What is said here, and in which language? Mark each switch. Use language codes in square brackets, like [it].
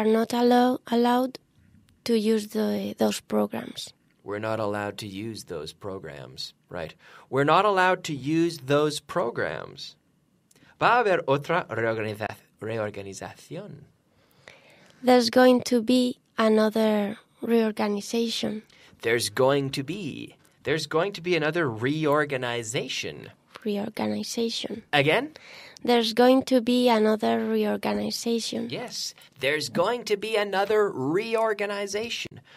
[en] We are not allowed to use those programs. We're not allowed to use those programs, right? We're not allowed to use those programs. [es] Va a haber otra reorganización. [en] There's going to be another reorganization. There's going to be another reorganization. Reorganization. Again? There's going to be another reorganization. Yes. There's going to be another reorganization.